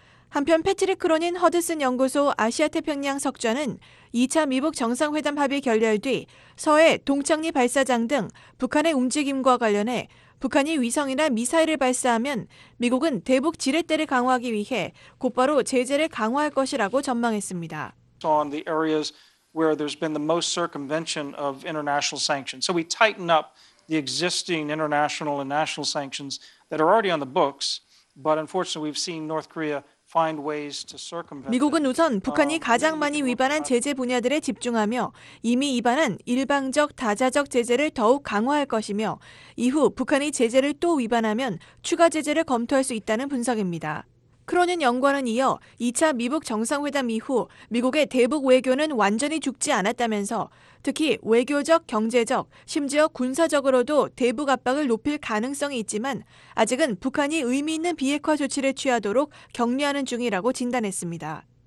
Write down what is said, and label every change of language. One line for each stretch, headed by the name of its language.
Korean: 한편 패트릭 크로닌 허드슨 연구소 아시아태평양 석좌는 2차 미북 정상회담 합의 결렬 뒤 서해 동창리 발사장 등 북한의 움직임과 관련해 북한이 위성이나 미사일을 발사하면 미국은 대북 지렛대를 강화하기 위해 곧바로 제재를 강화할 것이라고 전망했습니다.
English: On the areas where there's been the most circumvention of international sanctions. So we tighten up the existing international and national sanctions that are already on the books, but unfortunately we've seen North Korea find ways to circumvent.
Korean: 미국은 우선 북한이 가장 많이 위반한 제재 분야들에 집중하며 이미 위반한 일방적 다자적 제재를 더욱 강화할 것이며 이후 북한이 제재를 또 위반하면 추가 제재를 검토할 수 있다는 분석입니다. 크로닌 연구원은 이어 2차 미북 정상회담 이후 미국의 대북 외교는 완전히 죽지 않았다면서 특히 외교적, 경제적, 심지어 군사적으로도 대북 압박을 높일 가능성이 있지만 아직은 북한이 의미 있는 비핵화 조치를 취하도록 격려하는 중이라고 진단했습니다.